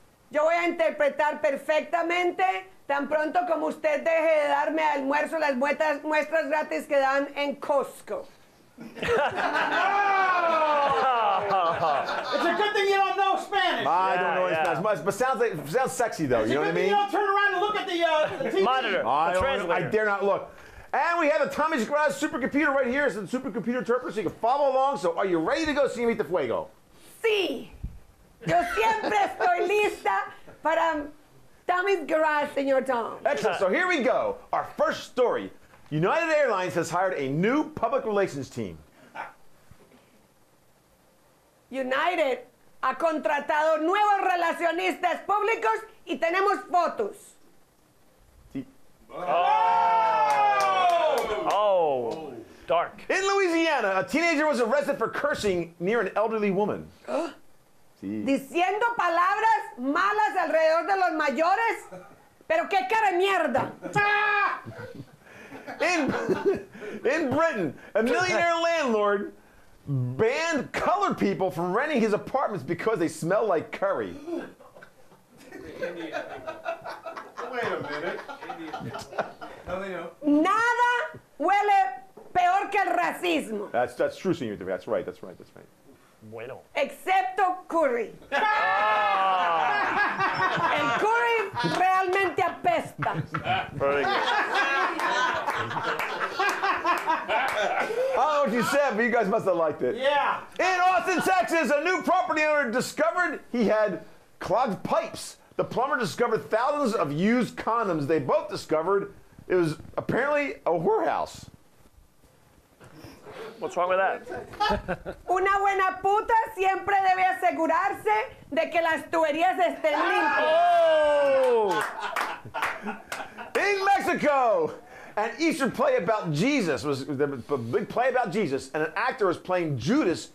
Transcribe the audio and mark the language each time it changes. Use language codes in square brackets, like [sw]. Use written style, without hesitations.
[es] Yo voy a interpretar perfectamente tan pronto como usted deje de darme almuerzo las muestras gratis que dan en Costco. No! [en] It's a good thing you don't know Spanish. I don't know any Spanish much, but sounds sexy though. It's you know what I mean? You don't turn around and look at the TV. Monitor. The translator. I dare not look. And we have a Tommy's Garage supercomputer right here. It's a supercomputer interpreter, so you can follow along. So are you ready to go see Meet the Fuego? [es] Sí. Yo siempre estoy lista para Tommy's Garage, señor Tom. [en] Excellent. So here we go. Our first story. United Airlines has hired a new public relations team. [es] United ha contratado nuevos relacionistas públicos y tenemos fotos. [en] Sí. Oh! Oh! Oh, dark. In Louisiana, a teenager was arrested for cursing near an elderly woman. [es] Sí. Diciendo palabras malas alrededor de los mayores, pero qué cara de mierda. [en] In Britain, a millionaire landlord banned colored people from renting his apartments because they smell like curry. Wait a minute. [es] Nada huele peor que el racismo. [en] That's true, señor. That's right, that's right, that's right. [es] Bueno. Excepto curry. Ah. El curry realmente apesta. [en] Very good. I don't know what you said, but you guys must have liked it. Yeah. In Austin, Texas, a new property owner discovered he had clogged pipes. The plumber discovered thousands of used condoms. They both discovered it was apparently a whorehouse. What's wrong with that? [es] Una buena puta siempre debe asegurarse de que las tuberías estén limpias. Oh! [en] In Mexico, an Easter play about Jesus was a big play about Jesus, and an actor was playing Judas.